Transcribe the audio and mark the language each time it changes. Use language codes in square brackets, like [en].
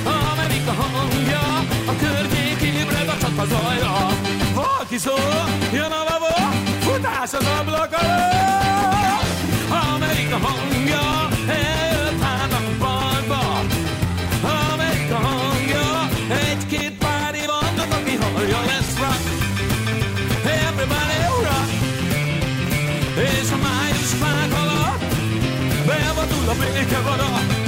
[hu] Amerika hangja, a környék ébred a csata zajra. Valaki szól, jön a vavó, futás az ablak alatt. Amerika hangja, eljött hát a parkba. Amerika hangja, egy-két pári vannak, aki hallja. [en] Let's rock, everybody rock. [hu] És a május fák alatt bevadul a béke barak.